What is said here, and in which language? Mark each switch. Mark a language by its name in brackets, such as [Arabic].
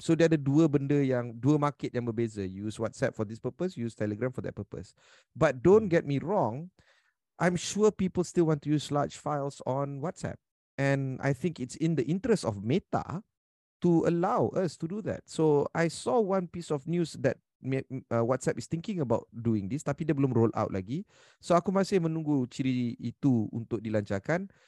[Malay] So dia ada dua benda yang dua market yang berbeza. [English] You use WhatsApp for this purpose, use Telegram for that purpose. But don't get me wrong, I'm sure people still want to use large files on WhatsApp. And I think it's in the interest of Meta to allow us to do that. So I saw one piece of news that WhatsApp is thinking about doing this, [Malay] tapi dia belum roll out lagi. So aku masih menunggu ciri itu untuk dilancarkan.